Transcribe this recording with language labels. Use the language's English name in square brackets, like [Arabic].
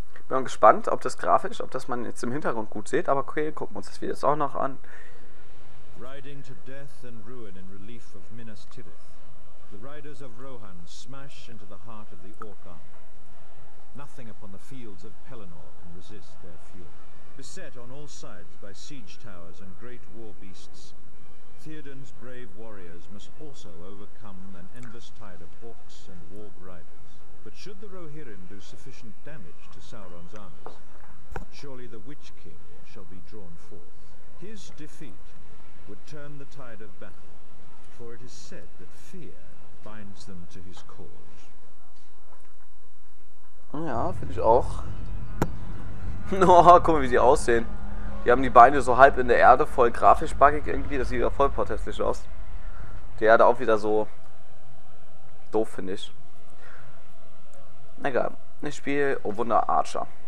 [German] Bin mal gespannt, ob das grafisch, ob das man jetzt im Hintergrund gut sieht. Aber okay, gucken wir uns das Video jetzt auch noch an. [English] Riding to death and ruin in relief of Minas Tirith, the riders of Rohan smash into the heart of the Orc army. Nothing upon the fields of Pelennor can resist their fury. Beset on all sides by siege towers and great war beasts, Theoden's brave warriors must also overcome an endless tide of orcs and warg riders. But should the Rohirrim do sufficient damage to Sauron's armies, surely the Witch King shall be drawn forth. His defeat would turn the tide of battle, for it is said that fear binds them to his cause. [German] Ja, finde ich auch. Oh, guck mal, wie die aussehen. Die haben die Beine so halb in der Erde, voll grafisch buggig irgendwie. Das sieht ja voll protestlich aus. Die Erde auch wieder so doof, finde ich. Egal. Ich spiele, oh Wunder, Archer.